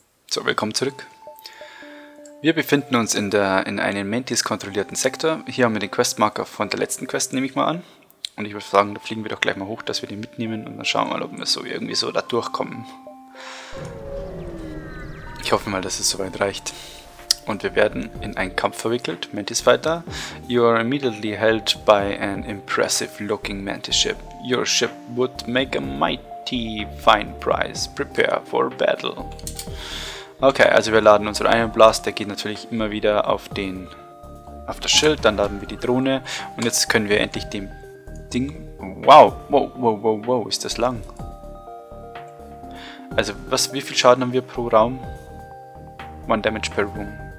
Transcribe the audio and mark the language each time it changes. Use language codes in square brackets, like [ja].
[de] So, willkommen zurück. Wir befinden uns in einem Mantis-kontrollierten Sektor. Hier haben wir den Questmarker von der letzten Quest, nehme ich mal an. Und ich würde sagen, da fliegen wir doch gleich mal hoch, dass wir den mitnehmen und dann schauen wir mal, ob wir so irgendwie so da durchkommen. Ich hoffe mal, dass es soweit reicht. Und wir werden in einen Kampf verwickelt, Mantis-Fighter. [en] You are immediately held by an impressive-looking Mantis-Ship. Your ship would make a mighty fine prize. Prepare for battle. [de] Okay, also wir laden unseren Iron Blast, der geht natürlich immer wieder auf das Schild, dann laden wir die Drohne und jetzt können wir endlich dem Ding... Wow, wow, wow, wow, wow, ist das lang. Also, wie viel Schaden haben wir pro Raum? [en] One Damage per Room.